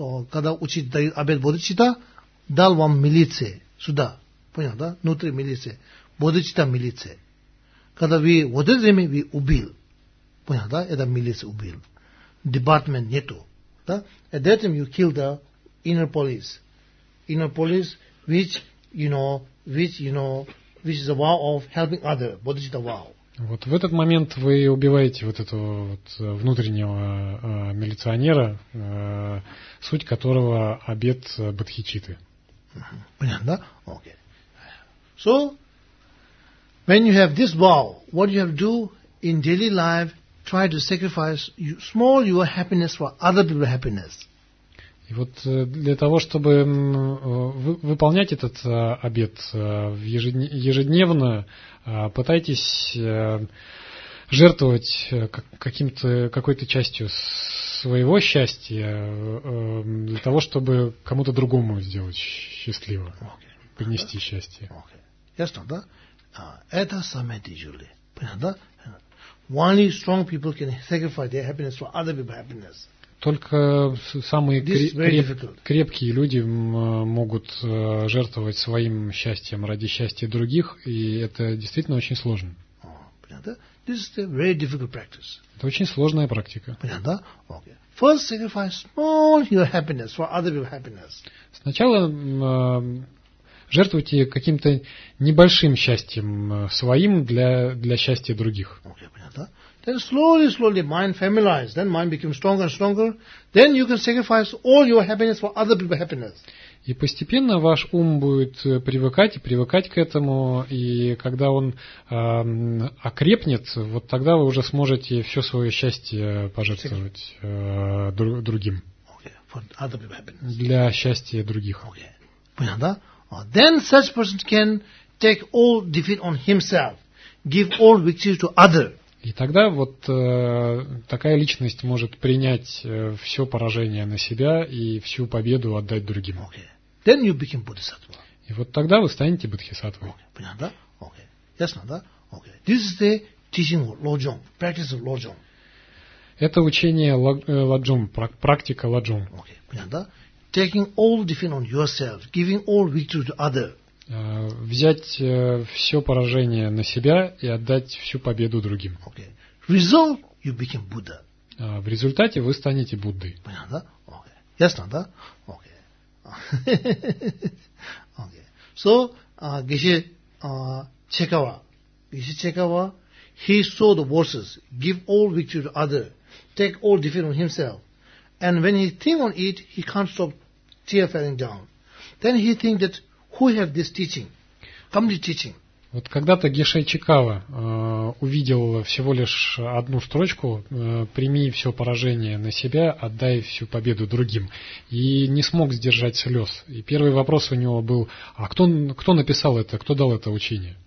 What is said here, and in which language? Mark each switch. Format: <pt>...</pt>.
<ru>Когда учитель дает обет бодхичитты, дал вам милиция сюда. Понятно, да? Внутри милиции. Бодхичитта милиция. Когда вы вот это время вы убил. Понятно, да? Это милиция убил. Department нету. Да?</ru> <en>At that time you kill the inner police. Inner police which is a vow of helping other. What is the vow?</en> <ru>Вот в этот момент вы убиваете вот этого вот внутреннего милиционера, суть которого обет бодхичитты. Понятно, да? Okay.</ru> <en>So when you have this vow, what you have to do in daily life? Try to sacrifice small your happiness for other people's happiness.</en> <ru>И вот для того, чтобы выполнять этот обет ежедневно, пытайтесь жертвовать какой-то частью своего счастья для того, чтобы кому-то другому сделать счастливо,</ru> <en>okay.</en> <ru>Принести счастье. Ясно, да? Это самое тяжелое. Понятно, да?</ru> <en>Only strong people can sacrifice their happiness for other people's happiness.</en> <ru>Только самые крепкие люди могут жертвовать своим счастьем ради счастья других, и это действительно очень сложно. Понятно?</ru> <en>This is a very difficult practice.</en> <ru>Это очень сложная практика. Понятно? Okay.</ru> <en>First sacrifice small your happiness for other people's happiness.</en> <ru>Сначала жертвуйте каким-то небольшим счастьем своим для счастья других. Okay, понятно.</ru> <en>Then slowly mind familiarize, then mind becomes stronger and stronger, then you can sacrifice all your happiness for other people's happiness.</en> <ru>И постепенно ваш ум будет привыкать к этому, и когда он окрепнет, вот тогда вы уже сможете все свое счастье пожертвовать другим.</ru> <en>Okay. for other people happiness.</en> <ru>Для счастья других.</ru> <en>Okay.</en> <ru>Понятно, да?</ru> <en>Then such person can take all defeat on himself, give all victory to other.</en> <ru>И тогда вот такая личность может принять все поражение на себя и всю победу отдать другим.</ru> <en>Okay. Then you become bodhisattva.</en> <ru>И вот тогда вы станете бодхисаттвой. Okay. Понятно, да? Okay. Ясно, да? Okay.</ru> <en>This is the teaching of Lojong, practice of Lojong.</en> <ru>Это учение Лоджонг, практика Лоджонг.</ru> <en>Okay.</en> <ru>Понятно, да?</ru> <en>Taking all defeat on yourself, giving all victory to other.</en> <ru>Взять все поражение на себя и отдать всю победу другим.</ru> <en>Okay. Result, you became Buddha.</en> <ru>В результате вы станете Буддой. Понятно, да? Okay. Ясно, да? Okay.</ru> <en>Okay. So, Geshe Chekawa, he saw the verses, give all victory to other, take all defeat on himself. And when he think on it, he can't stop tear falling down. Then he think that who have this teaching? Complete teaching.</en> <ru>Вот когда-то Геше Чикава увидел всего лишь одну строчку: прими все поражение на себя, отдай всю победу другим. И не смог сдержать слез. И первый вопрос у него был: а кто написал это, кто дал это учение?</ru>